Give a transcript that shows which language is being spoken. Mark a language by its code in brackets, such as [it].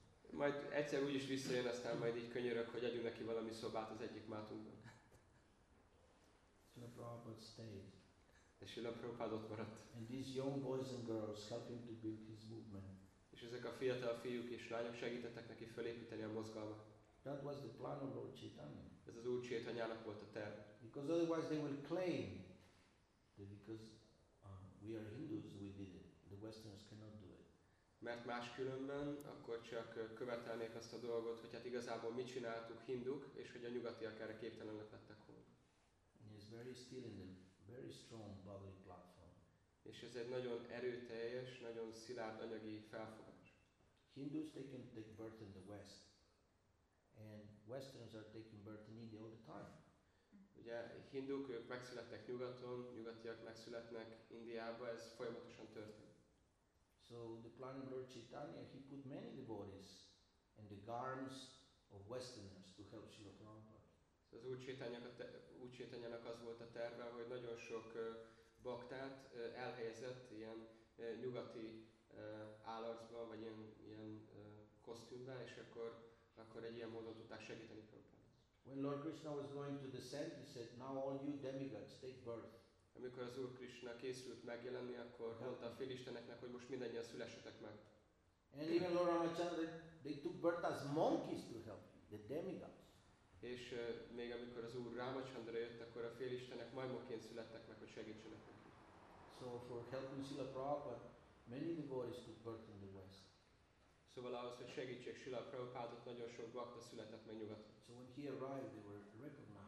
[hu] Majd egyszer úgyis visszajön, aztán majd így könyörök, hogy adjunk neki valami szobát az egyik mátunkban. [en] Srila Prabhupada stayed. [hu] És Srila Prabhupada ott maradt. [en] And these young boys and girls helping to build his movement. [hu] És ezek a fiatal fiúk és lányok segítettek neki felépíteni a mozgalmat. [en] That was the plan of Lord Chaitanya. [hu] Ez az Úr Chaitanyának volt a terv. [en] Because otherwise they will claim that because we are Hindus we did it. The Westerners cannot do it. [hu] Mert máskülönben akkor csak követelnék azt a dolgot, hogy hát igazából mit csináltuk hinduk, és hogy a nyugatiak erre képtelenek lettek volna. [en] And he's very still in the very strong bodily platform. [hu] És ez egy nagyon erőteljes, nagyon szilárd anyagi felfogás. [en] Hindus taking take birth in the West. And Westerners are taking birth in India all the time. [hu] Ugye hinduk ők megszületnek nyugaton, nyugatiak megszületnek Indiába, ez folyamatosan történik. [en] So the plan of Lord Chaitanya, he put many devotees in the garments of Westerners to help Srila Prabhupada. [hu] Az Úr Chaitanyának az volt a terve, hogy nagyon sok baktát elhelyezett ilyen nyugati állarcban, vagy ilyen kosztümben, és akkor egy ilyen módon tudták segíteni Prabhupádot. [en] When Lord Krishna was going to descend, he said, now all you demigods, take birth. [hu] Amikor az Úr Krishna készült megjelenni, akkor mondta a félisteneknek, hogy most mindannyian szülessetek meg. [en] And even Lord Ramachandra, they took birth as monkeys to help you, the demigods. [hu] És még amikor az Úr Ramachandra jött, akkor a félistenek majmoként születtek meg, hogy segítsenek neki. [en] So for helping Srila Prabhupada, many devotees took birth in the West. [hu] Szóval ahhoz, hogy segítsék Srila Prabhupádot, nagyon sok bhakta született meg nyugaton. [en] So when he arrived, they were recognizing.